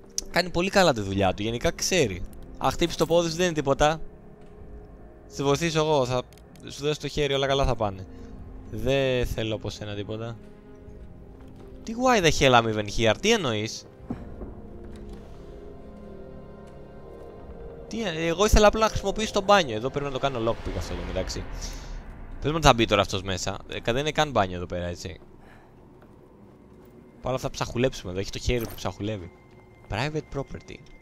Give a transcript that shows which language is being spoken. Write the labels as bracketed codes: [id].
[el] Κάνει πολύ καλά τη δουλειά του, γενικά ξέρει. Α, χτύπησε το πόδι σου, δεν είναι τίποτα. Σε βοηθήσω εγώ, θα σου δώσω το χέρι, όλα καλά θα πάνε. Δεν θέλω από σένα τίποτα. [en] Τι, why the hell I'm even here, τι εννοείς? [el] Τι, εγώ ήθελα απλά να χρησιμοποιήσω το μπάνιο. Εδώ πρέπει να το κάνω lockpick αυτό εδώ, εντάξει. Πες μου ότι θα μπει τώρα αυτός μέσα. Δεν είναι καν μπάνιο εδώ πέρα, έτσι. Παρ' όλα αυτά ψαχουλέψουμε εδώ, έχει το χέρι που ψαχουλεύει. Private property.